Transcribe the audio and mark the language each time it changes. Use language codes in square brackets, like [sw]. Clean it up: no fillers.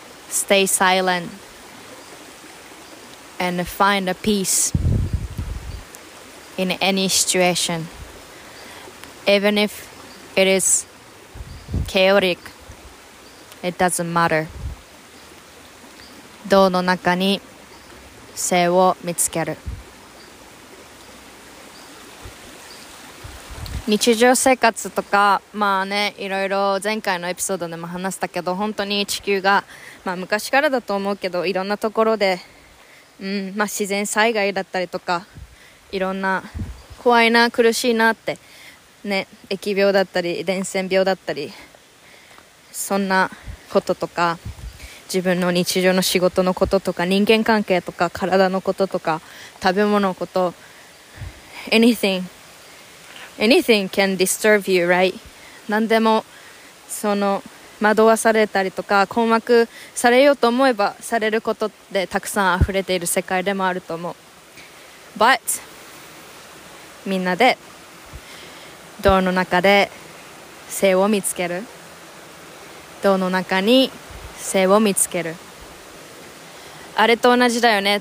[en] Stay silent and find a peace in any situation, even if it is chaotic, it doesn't matter. [ja] 銅の中に性を見つける。日常生活とか、まあね、いろいろ前回のエピソードでも話したけど、本当に地球が、まあ、昔からだと思うけど、いろんなところで、まあ、自然災害だったりとか、いろんな怖いな苦しいなってね、疫病だったり伝染病だったり、そんなこととか、自分の日常の仕事のこととか、人間関係とか、体のこととか、食べ物のこと、 [en] anything anything can disturb you, right? [ja] 何でもその惑わされたりとか困惑されようと思えばされることでたくさん溢れている世界でもあると思う。 But みんなでドアの中で性を見つける、ドアの中に性を見つける、あれと同じだよね。